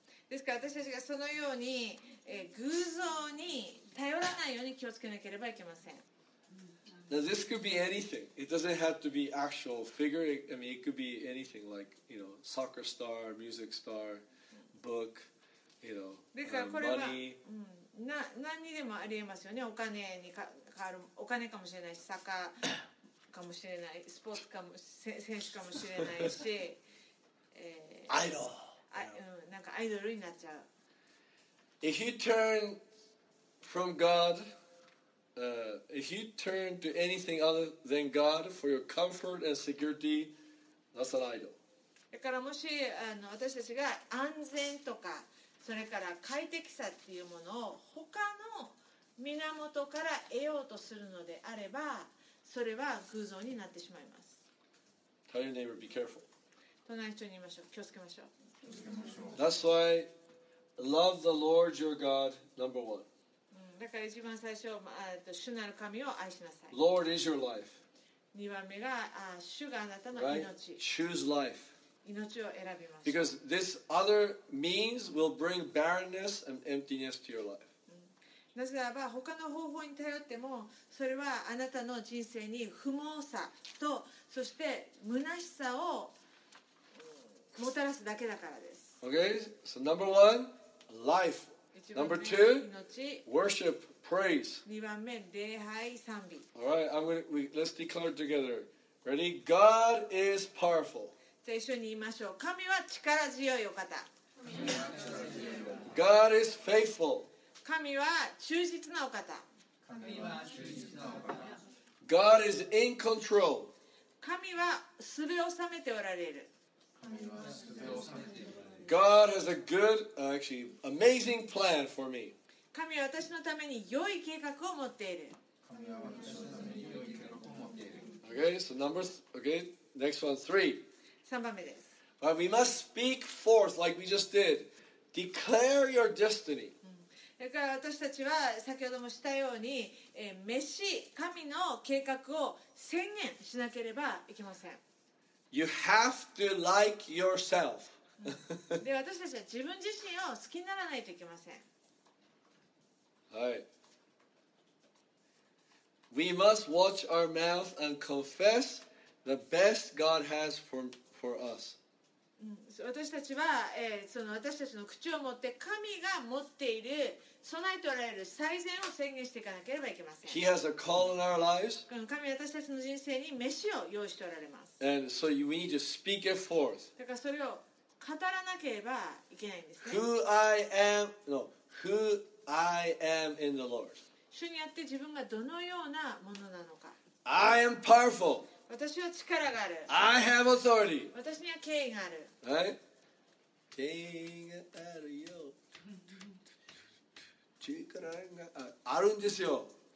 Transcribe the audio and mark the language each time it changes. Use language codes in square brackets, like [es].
[ja] ですから私たちがそのように偶像に頼らないように気をつけなければいけません。 [en] Now this could be anything. It doesn't have to be actual figure. I mean, it could be anything like, you know, soccer star, music star, book, you know, money. [ja] 何にでもありえますよね。お金に変わるお金かもしれないし、サッカーかもしれない、スポーツかも選手かもしれないし、アイドル、なんかアイドルになっちゃう。 [en] If you turn from God, if you turn to anything other than God for your comfort and security, that's an idol. [ja] だからもし私たちが安全とかそれから快適さっていうものを他の源から得ようとするのであれば。それは偶像になってしまいます。 [en] Tell your neighbor, be careful. [ja] 隣の人に言いましょう。気をつけましょう。 [en] That's why love the Lord your God, number one. [ja] だから一番最初、主なる神を愛しなさい。 [en] Lord is your life. [ja] 二番目が、主があなたの命。 [en] Right? Choose life. [ja] 命を選びます。 [en] Because this other means will bring barrenness and emptiness to your life. [ja] なぜならば他の方法に頼ってもそれはあなたの人生に不毛さとそして虚しさをもたらすだけだからです。 [en] Okay, so number one, life. Number two, worship, praise. [ja] 2番目、礼拝、賛美。 [en] Alright, let's declare together. Ready? God is powerful. [ja] じゃあ一緒に言いましょう。神は力強いお方。 [en] God is faithful. [ja] 神は忠実なお方。 [en] God is in control. [ja] 神はすべを治めておられる。 [en] God has a good, actually, amazing plan for me. [ja] 神は私のために良い計画を持っている。 [en] Okay, so numbers. Okay, next one, three. [ja] 三番目です。 [en] But we must speak forth like we just did. Declare your destiny. [ja] だから私たちは先ほどもしたように、神の計画を宣言しなければいけません。 [en] You have to like yourself. [ja] で、私たちは自分自身を好きにならないといけません。はい。 [en] We must watch our mouth and confess the best God has for us. [ja] 私たちは、その私たちの口を持って神が持っている備えておられる最善を宣言していかなければいけません。 [en] He has a call in our lives. [ja] 神は私たちの人生に飯を用意しておられます。 [en] And so we need to speak it forth. [ja] だからそれを語らなければいけないんですね。 [en] Who I am, no, who I am in the Lord. [ja] 主にあって自分がどのようなものなのか。 [en] I am powerful. [ja] 私は力がある。 [en] I have authority. [ja] 私には権威がある。はい。権威があるよ。力がある。んですよ。